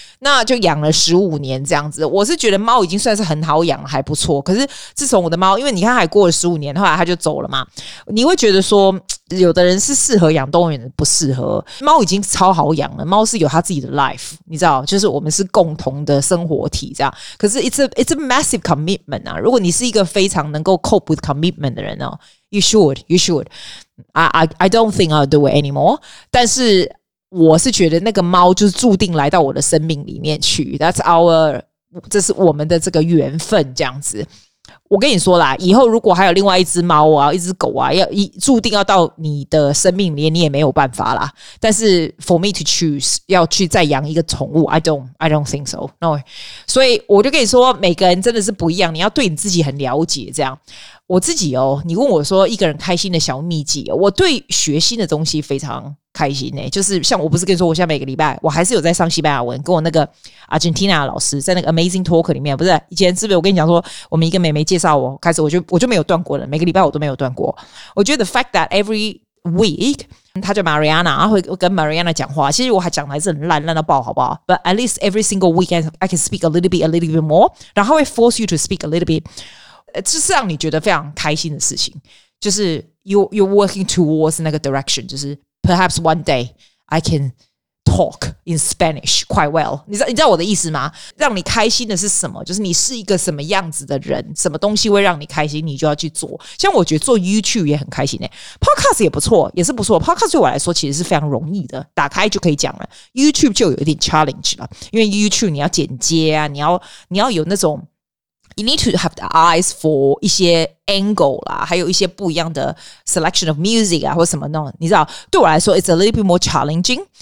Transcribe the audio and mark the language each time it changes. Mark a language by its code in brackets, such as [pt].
[zh] 那就养了15年这样子。我是觉得猫已经算是很好养了，还不错。可是自从我的猫，因为你看还过了15年，后来它就走了嘛，你会觉得说有的人是适合养动物园的，不适合。猫已经超好养了，猫是有它自己的 life， 你知道，就是我们是共同的生活体这样。 [en] 可是 it's a massive commitment 啊！ [zh] 如果你是一个非常能够 [en] cope with commitment [zh] 的人呢、啊、， [en] you should。 I don't think I'll do it anymore。 [zh] 但是我是觉得那个猫就是注定来到我的生命里面去。这是我们的这个缘分这样子。我跟你说啦，以后如果还有另外一只猫啊一只狗啊要注定要到你的生命里，你也没有办法啦。但是 [en] for me to choose [zh] 要去再养一个宠物， [en] I don't think so、no. [zh] 所以我就跟你说每个人真的是不一样，你要对你自己很了解这样。我自己哦，你问我说一个人开心的小秘籍，我对学新的东西非常开心、欸、就是像我不是跟你说我现在每个礼拜我还是有在上西班牙文，跟我那个 Argentina 的老师在那个 Amazing Talk 里面，不是以前是不是我跟你讲说我们一个妹妹介绍我开始我就没有断过了，每个礼拜我都没有断过。我觉得 [en] the fact that every week [zh] 他叫 Mariana， 他会跟 Mariana 讲话，其实我还讲的还是很烂烂到爆好不好， [en] but at least every single weekend I can speak a little bit more， [zh] 然后会 [en] force you to speak a little bit， [zh] 这是让你觉得非常开心的事情，就是 [en] you're working towards [zh] 那个 [en] direction， [zh] 就是 [en] Perhaps one day I can talk in Spanish quite well. [zh] 你知道我的意思吗？让你开心的是什么？就是你是一个什么样子的人，什么东西会让你开心，你就要去做。像我觉得做 YouTube 也很开心、欸、Podcast 也不错，也是不错。 Podcast 对我来说其实是非常容易的，打开就可以讲了。YouTube 就有一点 challenge 了，因为 YouTube 你要剪接啊，你要有那种 [en] You need to have the eyes for [zh] 一些angle 啦，还有一些不一样的 [en] selection of music [zh] 啊，或什么弄，你知道，对我来说 [en] it's a little bit more challenging。